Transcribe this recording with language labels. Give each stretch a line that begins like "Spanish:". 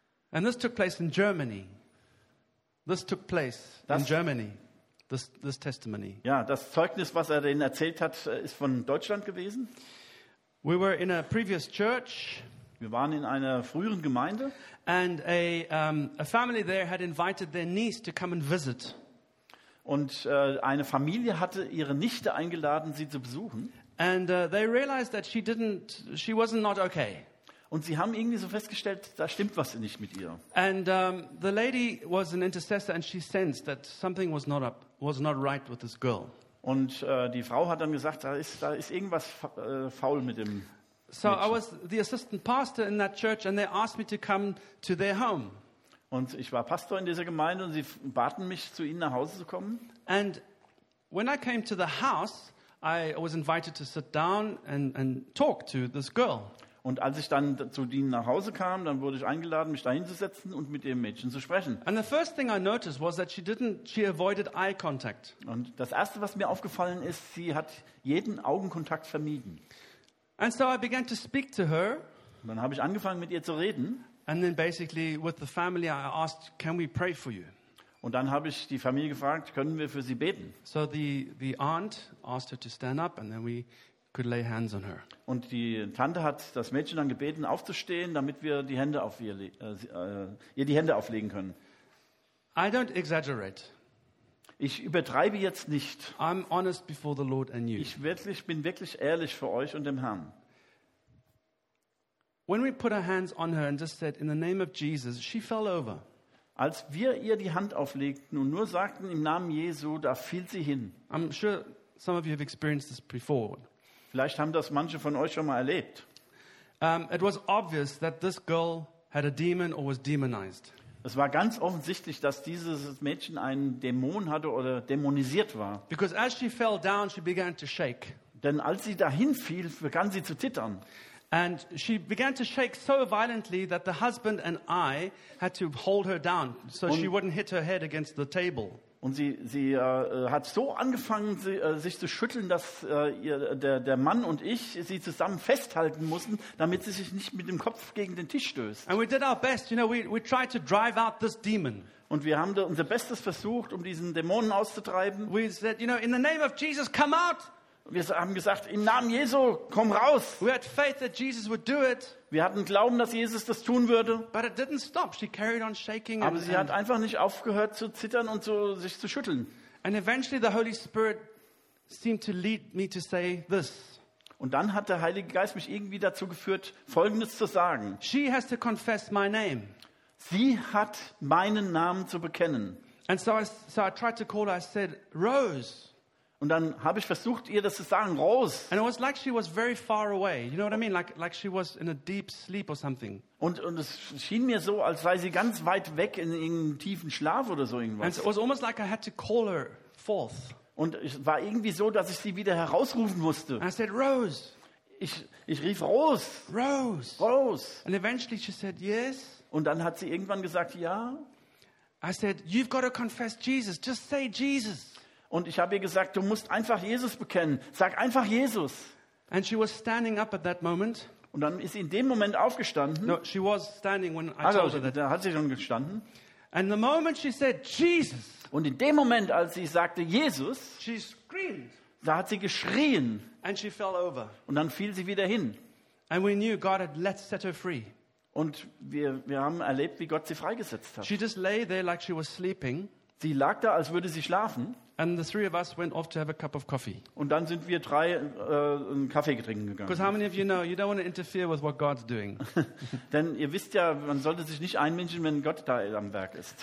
English: And this took place in Germany. This took place in Germany. This testimony.
German: Ja, das Zeugnis, was er denen erzählt hat, ist von Deutschland gewesen.
English: We were in a previous church.
German: Wir waren in einer früheren Gemeinde.
English: And a family there had invited their niece to come and visit.
German: Und eine Familie hatte ihre Nichte eingeladen, sie zu besuchen.
English: And they realized that she was not okay.
German: Und sie haben irgendwie so festgestellt, da stimmt was nicht mit ihr.
English: And the lady was an intercessor and she sensed that something was not up. Was not right with this girl.
German: Und die Frau hat dann gesagt, da ist irgendwas faul mit dem So Mädchen.
English: I was the assistant pastor in that church and they asked me to come to their home.
German: Und ich war Pastor in dieser Gemeinde und sie baten mich zu ihnen nach Hause zu kommen.
English: And when I came to the house, I was invited to sit down and talk to this girl.
German: Und als ich dann zu ihnen nach Hause kam, dann wurde ich eingeladen, mich dahinzusetzen und mit dem Mädchen zu sprechen.
English: And the first thing I noticed was that she avoided eye contact.
German: Und das erste, was mir aufgefallen ist, sie hat jeden Augenkontakt vermieden.
English: And so I began to speak to her.
German: Und dann habe ich angefangen, mit ihr zu reden.
English: And then basically with the family, I asked, can we pray for you?
German: Und dann habe ich die Familie gefragt, können wir für sie beten?
English: So the aunt asked her to stand up, and then we could lay hands on her.
German: Und die Tante hat das Mädchen dann gebeten aufzustehen, damit wir die Hände auf ihr die Hände auflegen können.
English: I don't exaggerate.
German: Ich übertreibe jetzt nicht.
English: I'm honest before the Lord and you.
German: Bin wirklich ehrlich vor euch und dem Herrn.
English: When we put our hands on her and just said in the name of Jesus, she fell over.
German: Als wir ihr die Hand auflegten und nur sagten im Namen Jesu, da fiel sie hin.
English: I'm sure some of you have experienced this before.
German: Vielleicht haben das manche von euch schon mal erlebt.
English: It was obvious that this girl had a demon or was demonized.
German: Es war ganz offensichtlich, dass dieses Mädchen einen Dämon hatte oder dämonisiert war.
English: Because as she fell down, she began to shake.
German: Denn als sie dahin fiel, begann sie zu zittern.
English: And she began to shake so violently that the husband and I had to hold her down, so she wouldn't hit her head against the table.
German: Und sie hat so angefangen, sich zu schütteln, dass der Mann und ich sie zusammen festhalten mussten, damit sie sich nicht mit dem Kopf gegen den Tisch stößt.
English: And we did our best, you know, we tried to drive out this demon.
German: Und wir haben unser Bestes versucht, um diesen Dämonen auszutreiben.
English: We said, you know, in the name of Jesus, come out.
German: Wir haben gesagt, im Namen Jesu, komm raus.
English: We had faith that Jesus would do it.
German: Wir hatten Glauben, dass Jesus das tun würde.
English: But it didn't stop. She carried on shaking.
German: Aber sie hat einfach nicht aufgehört zu zittern und sich zu schütteln.
English: And eventually the Holy Spirit seemed to lead me to say this.
German: Und dann hat der Heilige Geist mich irgendwie dazu geführt, Folgendes zu sagen.
English: She has to confess my name.
German: Sie hat meinen Namen zu bekennen.
English: And so I tried to call her. I said, Rose.
German: Und dann habe ich versucht, ihr das zu sagen, Rose.
English: And it was like she was very far away. You know what I mean? Like she was in a deep sleep or something.
German: Und es schien mir so, als sei sie ganz weit weg in irgendeinem tiefen Schlaf oder so irgendwas.
English: And it was almost like I had to call her forth.
German: Und es war irgendwie so, dass ich sie wieder herausrufen musste.
English: And I said, Rose.
German: Ich rief Rose. Rose. Rose.
English: And eventually she said, yes.
German: Und dann hat sie irgendwann gesagt, ja.
English: I said, you've got to confess Jesus. Just say Jesus.
German: Und ich habe ihr gesagt, du musst einfach Jesus bekennen. Sag einfach Jesus.
English: And she was standing up at that moment.
German: Und dann ist sie in dem Moment aufgestanden.
English: No, she was standing when I told her that.
German: Da hat sie schon gestanden.
English: And the moment she said Jesus.
German: Und in dem Moment, als sie sagte Jesus,
English: she screamed.
German: Da hat sie geschrien.
English: And she fell over.
German: Und dann fiel sie wieder hin.
English: And we knew God had set her free.
German: Und wir haben erlebt, wie Gott sie freigesetzt hat.
English: She just lay there like she was sleeping.
German: Sie lag da, als würde sie schlafen.
English: And the three of us went off to have a cup of coffee.
German: Und dann sind wir drei einen Kaffee trinken gegangen.
English: Because how many of you know you don't want to interfere with what God's doing?
German: Denn ihr wisst ja, man sollte sich nicht einmischen, wenn Gott da am Werk ist.